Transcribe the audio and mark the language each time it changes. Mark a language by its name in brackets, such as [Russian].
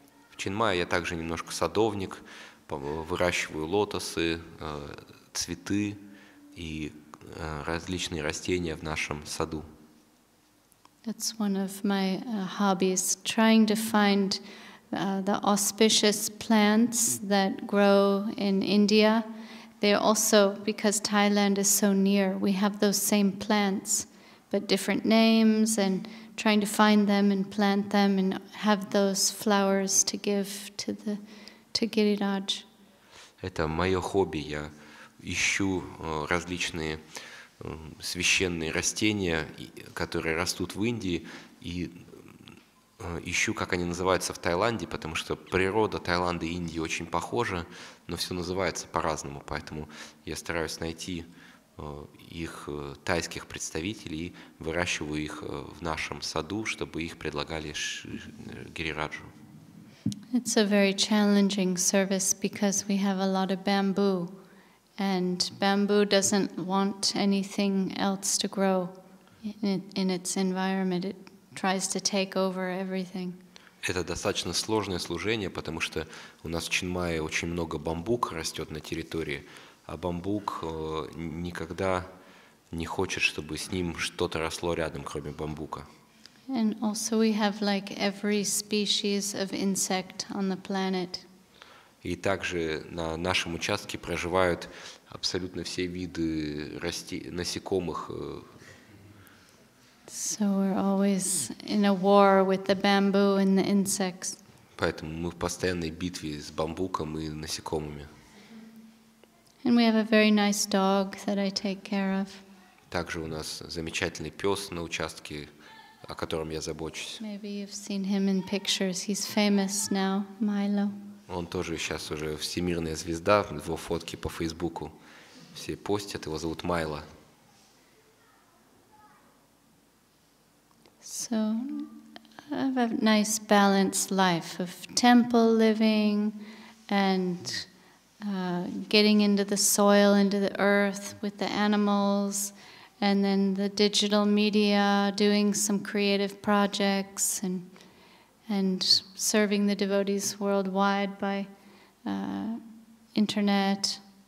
[Russian] В Чинмае я также немножко садовник, выращиваю лотосы, цветы и различные растения в нашем саду. [English] That's one of my hobbies, trying to find the auspicious plants that grow in India. They're also, because Thailand is so near, we have those same plants, but different names, and trying to find them and plant them and have those flowers to give to the to Гирирадж. [Russian] Это мое хобби. Я ищу различные священные растения, которые растут в Индии, и ищу, как они называются в Таиланде, потому что природа Таиланда и Индии очень похожа, но все называется по-разному. Поэтому я стараюсь найти их тайских представителей и выращиваю их в нашем саду, чтобы их предлагали Гирираджу. [English] It's a very challenging service because we have a lot of bamboo, and bamboo doesn't want anything else to grow in its environment. It tries to take over everything. [Russian] Это достаточно сложное служение, потому что у нас в Чинмае очень много бамбука растет на территории, а бамбук никогда не хочет, чтобы с ним что-то росло рядом, кроме бамбука. [English] And also we have like every species of insect on the planet. [Russian] И также на нашем участке проживают абсолютно все виды насекомых. [English] So we're always in a war with the bamboo and the insects. [Russian] Поэтому мы в постоянной битве с бамбуком и насекомыми. [English] And we have a very nice dog that I take care of. [Russian] Также у нас замечательный пес на участке, о котором я забочусь. [English] Maybe you've seen him in pictures. He's famous now, Milo. [Russian] Он тоже сейчас уже всемирная звезда. Его фотки по Фейсбуку все постят. Его зовут Майло. [English] So I have a nice balanced life of temple living and getting into the soil, into the earth with the animals. And then the digital media, doing some creative projects, and serving the devotees worldwide by internet.